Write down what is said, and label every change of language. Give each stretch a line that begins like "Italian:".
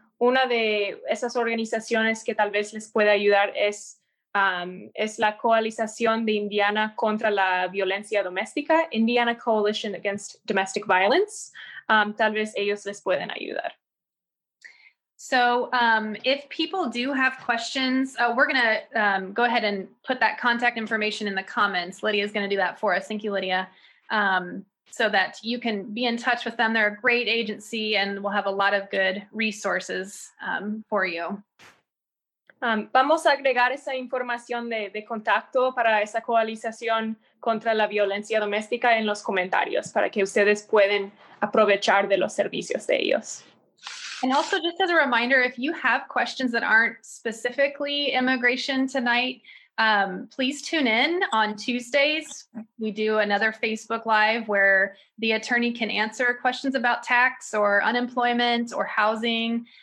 Spanish: Una de esas organizaciones que tal vez les pueda ayudar es la Coalición de Indiana contra la Violencia Doméstica, Indiana Coalition Against Domestic Violence. Tal vez ellos les pueden ayudar.
English: So if people do have questions, we're going to go ahead and put that contact information in the comments. Lydia is going to do that for us. Thank you, Lydia. So that you can be in touch with them. They're a great agency and we'll have a lot of good resources for you.
Spanish: Vamos a agregar esa información de contacto para esa coalición contra la violencia doméstica en los comentarios para que ustedes puedan aprovechar de los servicios de ellos.
English: And also, just as a reminder, if you have questions that aren't specifically immigration tonight, please tune in on Tuesdays. We do another Facebook Live where the attorney can answer questions about tax or unemployment or housing.